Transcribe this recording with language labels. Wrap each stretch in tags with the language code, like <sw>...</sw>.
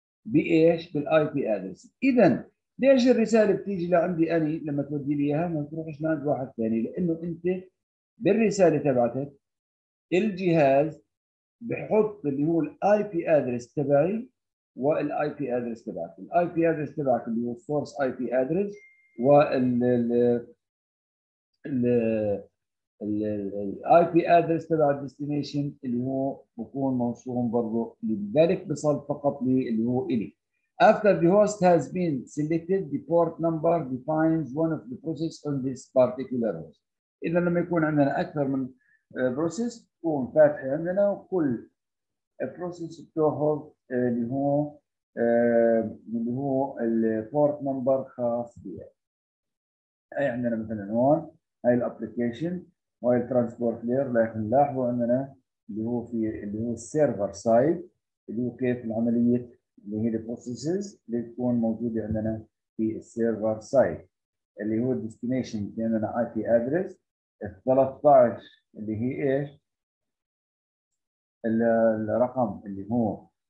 <ar>بايش؟ بالاي بي ادرس. اذا ليش الرساله بتيجي لعندي انا لما تودي لي اياها ما تروحش لعند واحد ثاني؟ لانه انت بالرساله تبعتك الجهاز بحط اللي هو الاي بي ادرس تبعي والاي بي ادرس تبعك. الاي بي ادرس تبعك اللي هو السورس اي بي ادرس وال الاي بي ادرس تبع الديستنيشن اللي هو بكون موصوم برضه، لذلك بصل فقط لي اللي هو الي.</ar> <en>After the host has been selected, the port number defines one of the process on this particular host.</en> <ar>إذا لما يكون عندنا أكثر من process تكون فاتحة عندنا كل process بتأخذ اللي هو اللي هو port number خاص بها. أي عندنا مثلاً هون هاي الابليكيشن وهي الترانسبورت لير، لكن لاحظوا عندنا اللي هو في اللي هو السيرفر سايد اللي هو كيف العملية اللي هي البروسيسز اللي تكون موجودة عندنا في السيرفر سايد اللي هو الديستنيشن اللي عندنا اي بي ادرس 13 اللي هي ايش الرقم اللي هو</ar>